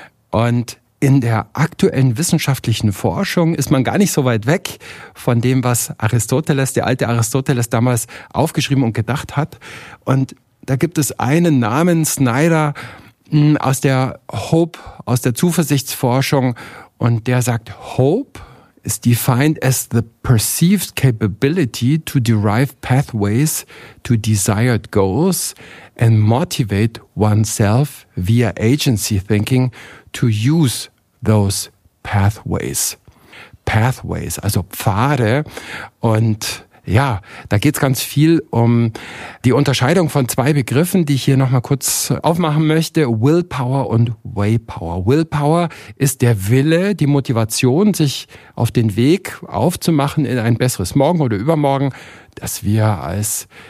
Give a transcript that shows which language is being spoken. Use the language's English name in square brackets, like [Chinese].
[German] Und in der aktuellen wissenschaftlichen Forschung ist man gar nicht so weit weg von dem, was Aristoteles, der alte Aristoteles, damals aufgeschrieben und gedacht hat. Und da gibt es einen Namen, Snyder, aus der Hope, aus der Zuversichtsforschung. Und der sagt, [English] Hope is defined as the perceived capability to derive pathways to desired goals and motivate oneself via agency thinking to use those pathways. [German] Pathways, also Pfade. Und ja, da geht's ganz viel um die Unterscheidung von 2 Begriffen, die ich hier nochmal kurz aufmachen möchte. Willpower und Waypower. Willpower ist der Wille, die Motivation, sich auf den Weg aufzumachen in ein besseres Morgen oder übermorgen, das wir als